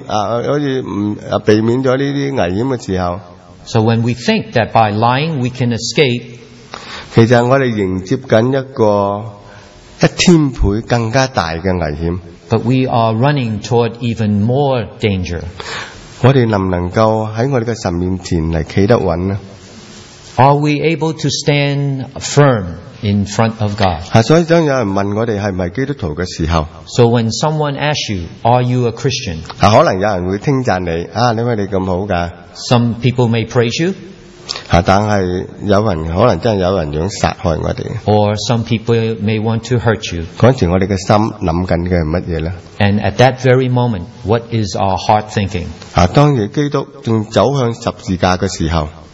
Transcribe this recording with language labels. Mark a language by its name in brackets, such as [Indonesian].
[Chinese] 當我覺得我以為說謊話可以避免了這些危險的時候, [English] so when we think that by lying we can escape, [Chinese] 其實我們迎接一個1000倍更加大的危險, [English] but we are running toward even more danger. [Chinese] 我們能不能夠在我們的神面前站得穩呢? [English] Are we able to stand firm in front of God? [Chinese] 所以當有人問我們是不是基督徒的時候, [English] so when someone asks you, are you a Christian? [Chinese] 可能有人會稱讚你, 你為你這麼好的, [English] some people may praise you. [Chinese] 但是有人可能真的有人想殺害我們, [English] or some people may want to hurt you. [Chinese] 那時候我們的心在想的是什麼呢? [English] And at that very moment, what is our heart thinking? [Chinese] 當基督還走向十字架的時候,